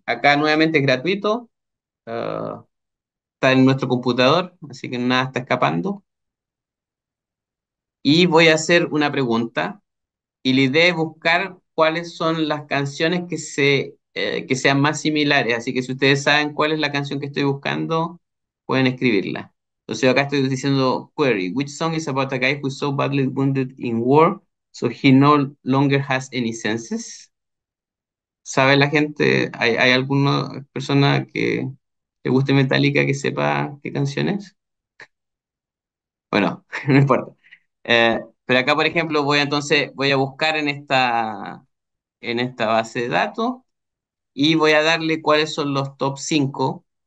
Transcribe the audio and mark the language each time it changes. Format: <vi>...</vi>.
<es>Acá nuevamente es gratuito, está en nuestro computador, así que nada está escapando. Y voy a hacer una pregunta, y la idea es buscar cuáles son las canciones que sean más similares. Así que si ustedes saben cuál es la canción que estoy buscando, pueden escribirla. Entonces acá estoy diciendo</es> <en>query, which song is about a guy who's so badly wounded in war, so he no longer has any senses?</en> <es>¿Sabe la gente? ¿Hay alguna persona que le guste Metallica que sepa qué canción es? Bueno, no importa. Pero acá, por ejemplo, voy a buscar en esta base de datos y voy a darle cuáles son los top 5.</es>